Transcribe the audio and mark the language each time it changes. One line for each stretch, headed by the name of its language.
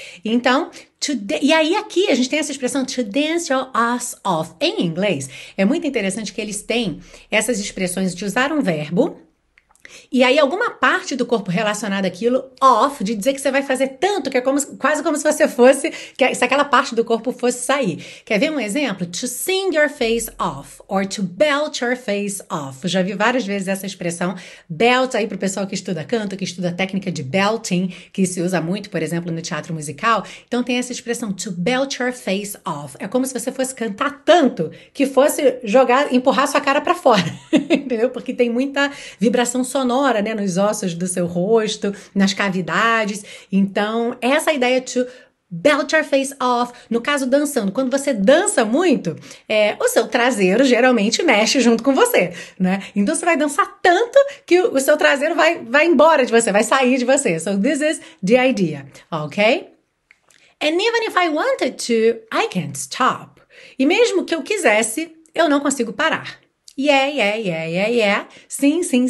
Portuguese: Então, e aí aqui a gente tem essa expressão,
English: to dance your ass off,
Portuguese: em inglês. É muito interessante que eles têm essas expressões de usar um verbo, e aí alguma parte do corpo relacionada àquilo, off, de dizer que você vai fazer tanto, que é como, quase como se você fosse, que se aquela parte do corpo fosse sair. Quer ver um exemplo?
English: To sing your face off, or to belt your face off.
Portuguese: Eu já vi várias vezes essa expressão, belt, aí pro pessoal que estuda canto, que estuda técnica de belting, que se usa muito, por exemplo, no teatro musical. Então tem essa expressão,
English: to belt your face off.
Portuguese: É como se você fosse cantar tanto, que fosse jogar, empurrar sua cara pra fora, entendeu? Porque tem muita vibração sonora, né, nos ossos do seu rosto, nas cavidades. Então, essa ideia
English: to belt your face off,
Portuguese: no caso dançando, quando você dança muito, o seu traseiro geralmente mexe junto com você, né? Então você vai dançar tanto que o seu traseiro vai embora de você, vai sair de você.
English: So this is the idea, ok? And even if I wanted to, I can't stop.
Portuguese: E mesmo que eu quisesse, eu não consigo parar.
English: Yeah.
Portuguese: Sim.